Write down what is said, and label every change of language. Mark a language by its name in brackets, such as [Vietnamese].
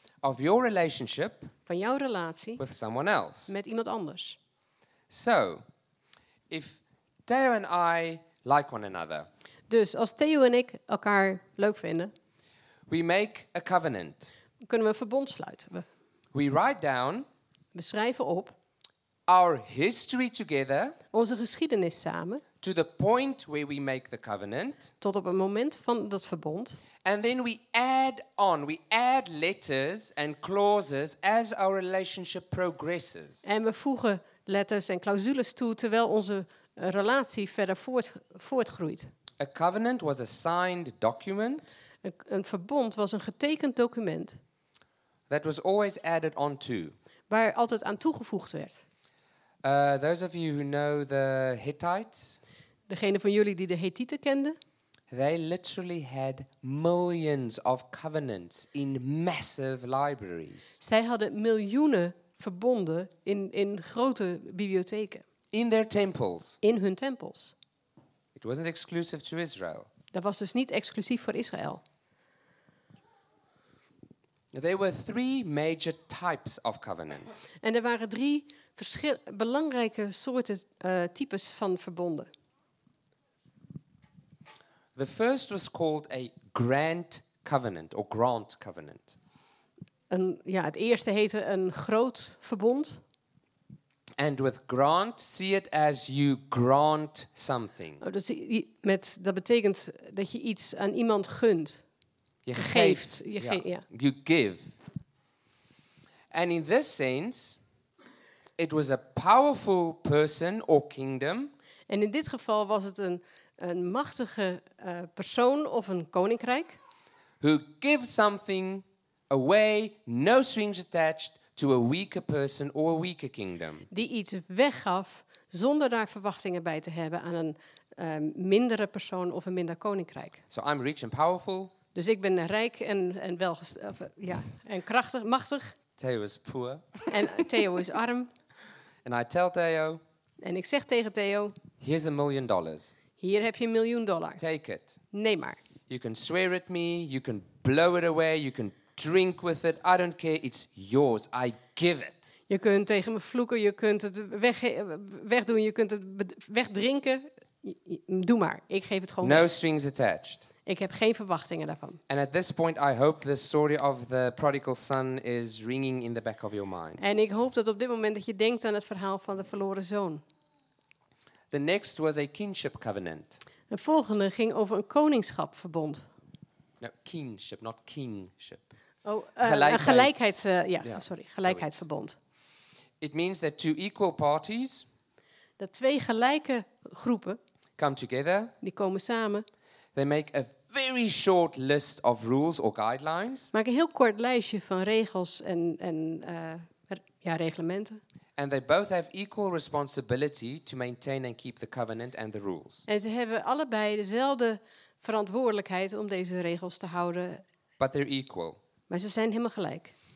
[English] Of your relationship. [Dutch] Van jouw relatie. [English] With someone else. [Dutch] Met iemand anders. [English] So, if Theo and I like one another. [Dutch] Dus als Theo en ik elkaar leuk vinden. [English] We make a covenant. [Dutch] Kunnen we een verbond sluiten. [English] We write down. [Dutch] We schrijven op. [English] Our history together. [Dutch] Onze geschiedenis samen. [English] To the point where we make the covenant. [Dutch] Tot op het moment van dat verbond. [English] And then we add on, we add letters and clauses as our relationship progresses. [Dutch] En we voegen letters en clausules toe terwijl onze relatie verder voortgroeit. [English] A covenant was a signed document. [Dutch] Een verbond was een getekend document. [English] that was always added on to. [Dutch] Waar altijd aan toegevoegd werd. [English] Those of you who know the Hittites. [Dutch] Degene van jullie die de Hittiten kenden. [English] They literally had millions of covenants in massive libraries. [Dutch] Zij hadden miljoenen verbonden in grote bibliotheken. [English] In their temples. [Dutch] In hun tempels. [English] It wasn't exclusive to Israel. [Dutch] Dat was dus niet exclusief voor Israël. [English] There were three major types of covenant. [Dutch] En er waren drie belangrijke soorten types van verbonden. [English] The first was called a grant covenant or grant covenant. [Dutch] Het eerste heette een groot verbond. [English] And with grant, see it as you grant something. [Dutch] Oh, dat betekent dat je iets aan iemand gunt. Je geeft. [English] You give. And in this sense, it was a powerful person or kingdom. [Dutch] En in dit geval was het een machtige persoon of een koninkrijk. [English] Who gives something away, no strings attached, to a weaker person or a weaker kingdom. [Dutch] Die iets weggaf zonder daar verwachtingen bij te hebben aan een mindere persoon of een minder koninkrijk. [English] So I'm rich and powerful. [Dutch] Dus ik ben rijk en en krachtig, machtig. [English] Theo is poor. [Dutch] En Theo is arm. [English] And I tell Theo. [Dutch] En ik zeg tegen Theo. [English] Here's $1 million. [Dutch] Hier heb je $1 million. [English] Take it. [Dutch] Neem maar. [English] You can swear at me. You can blow it away. You can drink with it. I don't care. It's yours. I give it. [Dutch] Je kunt tegen me vloeken. Je kunt het wegdoen. Je kunt het wegdrinken. Doe maar. Ik geef het gewoon. [English] No [Dutch] weg. [English] Strings attached. [Dutch] Ik heb geen verwachtingen daarvan. [English] And at this point, I hope the story of the prodigal son is ringing in the back of your mind. [Dutch] En ik hoop dat op dit moment dat je denkt aan het verhaal van de verloren zoon. [English] The next was a kinship covenant. [Dutch] De volgende ging over een koningschapverbond. [English] No, kingship, not kingship. [Dutch] Gelijkheidsverbond. [English] It means that two equal parties. [Dutch] Dat twee gelijke groepen. [English] Come together. [Dutch] Die komen samen. [English] They make a very short list of rules or guidelines. [Dutch] Maak een heel kort lijstje van regels en reglementen. [English] And they both have equal responsibility to maintain and keep the covenant and the rules. [Dutch] En ze hebben allebei dezelfde verantwoordelijkheid om deze regels te houden. [English] But they're equal. [Dutch] Maar ze zijn helemaal gelijk.